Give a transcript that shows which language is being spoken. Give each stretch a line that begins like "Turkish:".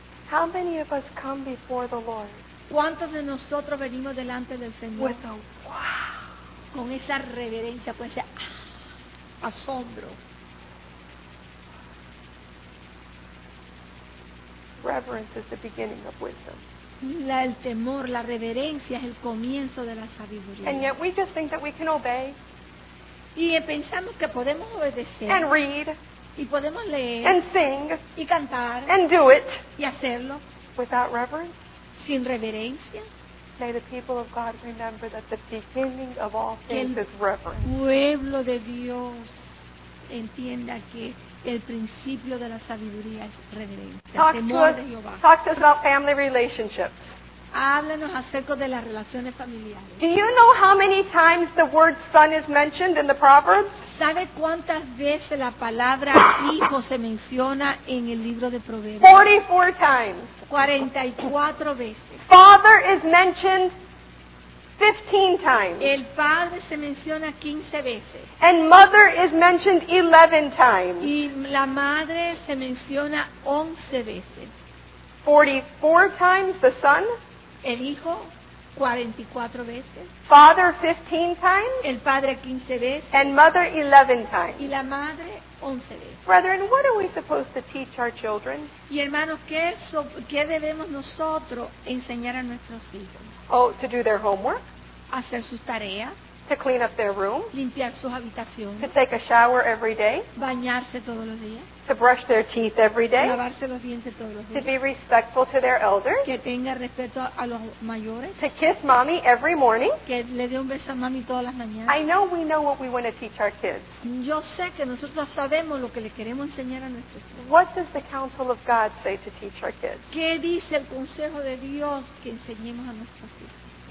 English: How many of us come before the Lord?
Spanish: ¿Cuántos de nosotros venimos delante del Señor?
English: With a wow.
Spanish: Con esa reverencia, con ese asombro.
English: Reverence is the beginning of wisdom.
Spanish: El temor, la reverencia es el comienzo de la sabiduría.
English: And yet we just think that we can obey.
Spanish: Y pensamos que podemos obedecer.
English: And read.
Spanish: Y podemos leer
English: and sing,
Spanish: y cantar
English: and do it,
Spanish: y hacerlo
English: without reverence.
Spanish: Sin reverencia.
English: May the people of God remember that the beginning of all things is reverence.
Spanish: Que el pueblo de Dios entienda que el principio de la sabiduría es reverencia.
English: Talk to us about family relationships.
Spanish: Háblenos acerca de las relaciones familiares.
English: Do you know how many times the word son is mentioned in the Proverbs?
Spanish: ¿Sabe cuántas veces la palabra hijo se menciona en el libro de Proverbios?
English: 44 times.
Spanish: 44 veces.
English: Father is mentioned 15 times.
Spanish: El padre se menciona 15 veces.
English: And mother is mentioned 11 times.
Spanish: Y la madre se menciona 11 veces.
English: 44 times the son.
Spanish: El hijo 44 veces.
English: Father 15 times.
Spanish: El padre 15 veces.
English: And mother 11 times.
Spanish: Y la madre 11 veces.
English: Brethren, what are we supposed to teach our children?
Spanish: Y hermanos, ¿qué debemos nosotros enseñar a nuestros hijos?
English: Oh, to do their homework.
Spanish: Hacer sus tareas.
English: To clean up their room.
Spanish: Limpiar sus habitaciones.
English: To take a shower every day.
Spanish: Bañarse todos los días.
English: To brush their teeth every day.
Spanish: Lavarse los dientes todos los días.
English: To be respectful to their elders.
Spanish: Que tenga respeto a los mayores.
English: To kiss mommy every morning.
Spanish: Que le dé un beso a mami todas las mañanas.
English: I know we know what we want to teach our kids.
Spanish: Yo sé que nosotros sabemos lo que le queremos enseñar a nuestros hijos.
English: What does the counsel of God say to teach our kids?
Spanish: ¿Qué dice el consejo de Dios que enseñemos a nuestros hijos?